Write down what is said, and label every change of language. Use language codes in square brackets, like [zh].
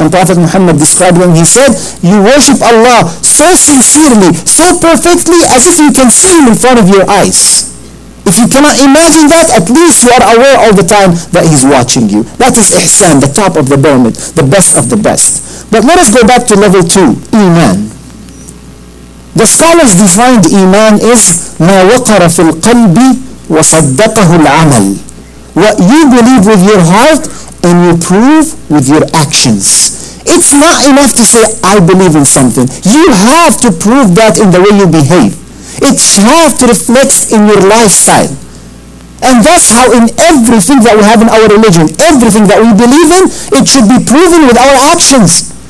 [en] And Prophet Muhammad described when he said, you worship Allah so sincerely, so perfectly, as if you can see Him in front of your eyes. If you cannot imagine that, at least you are aware all the time that He's watching you. That is Ihsan, the top of the pyramid, the best of the best. But let us go back to level two, Iman. The scholars defined Iman as [ar] مَا وَقَرَ فِي الْقَلْبِ وَصَدَّقَهُ الْعَمَلِ. [en] What you believe with your heart and you prove with your actions. It's not enough to say, I believe in something. You have to prove that in the way you behave. It has to reflect in your lifestyle. And that's how in everything that we have in our religion, everything that we believe in, it should be proven with our actions.